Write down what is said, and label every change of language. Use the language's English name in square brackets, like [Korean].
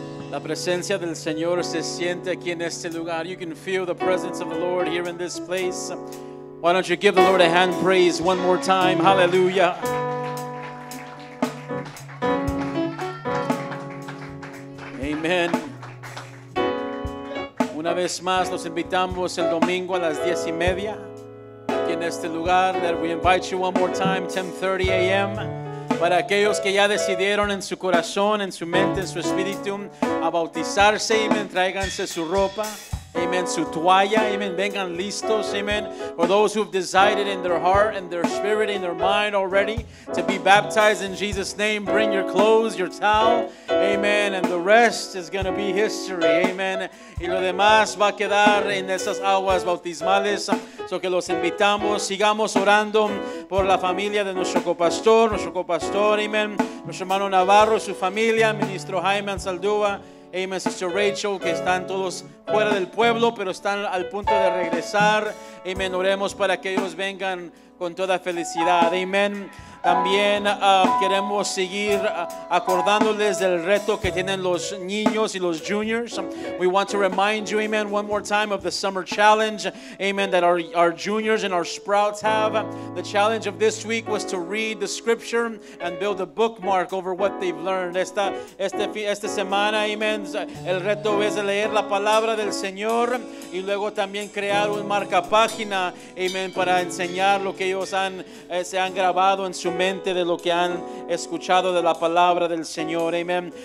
[Spanish] La presencia del Señor se siente aquí en este lugar. [English] You can feel the presence of the Lord here in this place. Why don't you give the Lord a hand praise one more time? Hallelujah. Amen. [Spanish] Una vez más, los invitamos el domingo a las 10:30 aquí en este lugar. [English] That we invite you one more time, 10:30 a.m. [Spanish] Para aquellos que ya decidieron en su corazón, en su mente, en su espíritu, a bautizarse, amen, tráiganse su ropa, amen, su toalla, amen, vengan listos, amen. [English] For those who've decided in their heart, in their spirit, in their mind already to be baptized in Jesus' name, bring your clothes, your towel, amen, and the rest is going to be history, amen. [Spanish] Y lo demás va a quedar en esas aguas bautismales. So que los invitamos, sigamos orando por la familia de nuestro copastor, amen, nuestro hermano Navarro, su familia, ministro Jaime Saldúa, amen, sister Rachel, que están todos fuera del pueblo, pero están al punto de regresar, amen, oremos para que ellos vengan con toda felicidad, amen. También queremos seguir acordándoles del reto que tienen los niños y los juniors. [English] We want to remind you, amen, one more time of the summer challenge, amen, that our juniors and our sprouts have. The challenge of this week was to read the scripture and build a bookmark over what they've learned. [Spanish] Esta semana, amen, el reto es leer la palabra del Señor y luego también crear un marca página, amen, para enseñar lo que ellos se han grabado en su mente de lo que han escuchado de la palabra del Señor, amen.